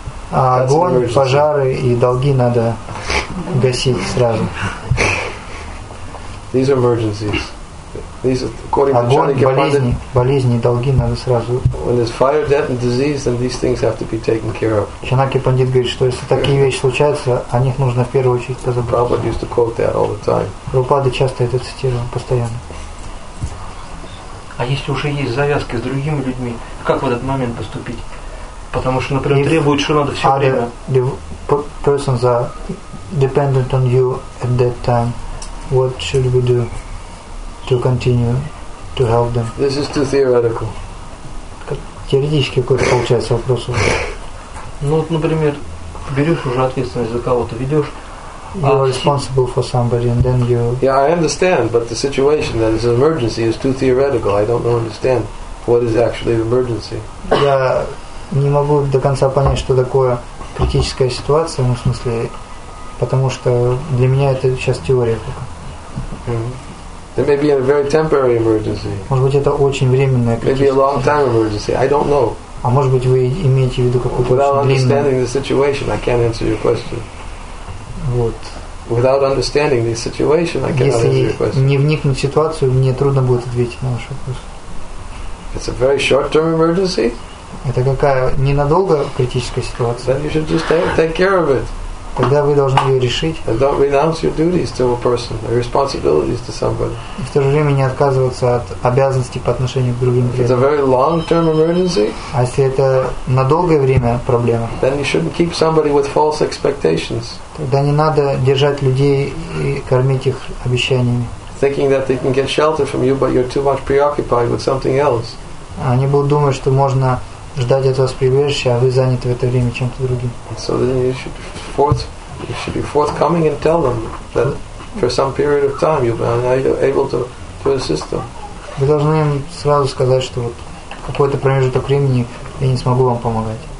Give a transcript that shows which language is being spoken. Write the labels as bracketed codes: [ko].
[ru] Огонь, пожары и долги надо гасить сразу. [en] These are emergencies. These are according to Chandrika Pandit. [ru] Болезни, долги надо сразу. [en] When there's fire, death, and disease, then these things have to be taken care of. [ru] Chandrika Pandit говорит, что если такие вещи случаются, о них нужно в первую очередь позаботиться. [en] Prabhupada used to quote that all the time. [ru] Prabhupada часто это цитировал постоянно. А если уже есть завязки с другими людьми, как в этот момент поступить? Потому что, например, требует, что надо все время. [en] The persons are dependent on you at that time. What should we do to continue to help them? This is too theoretical. [ru] Теоретически какой-то получается вопрос. Ну вот, например, берешь уже ответственность за кого-то, ведешь. [en] You are responsible for somebody, and then you. Yeah, I understand, but the situation that it's an emergency is too theoretical. I don't understand what is actually an emergency. [ru] Я не могу до конца понять, что такое критическая ситуация, в смысле, потому что для меня это сейчас теория только. [en] There may be a very temporary emergency. [ru] Может быть, это очень временная критическая. [en] Maybe a long time emergency. I don't know. [ru] А может быть, вы имеете в виду какую-то очень длинную. [en] Without understanding the situation, I can't answer your question. [ru] Вот. [en] Without understanding the situation, I cannot answer your question. [ru] Не вникнуть в ситуацию, мне трудно будет ответить на ваш вопрос. [en] It's a very short-term emergency. [ru] Это какая ненадолго критическая ситуация. [en] Then you should just take care of it. [ru] Тогда вы должны ее решить. [en] And don't renounce your duties to a person, your responsibilities to somebody. [ru] И в то же время не отказываться от обязанностей по отношению к другим людям. [en] It's a very long-term emergency. [ru] А если это на долгое время проблема? [en] Then you shouldn't keep somebody with false expectations. [ru] Тогда не надо держать людей и кормить их обещаниями. [en] Thinking that they can get shelter from you, but you're too much preoccupied with something else. [ru] Они будут думать, что можно ждать от вас прибежища, а вы заняты в это время чем-то другим. [en] So then you should be forthcoming and tell them that for some period of time you're able to assist them. [ru] Вы должны им сразу сказать, что вот какой-то промежуток времени я не смогу вам помогать.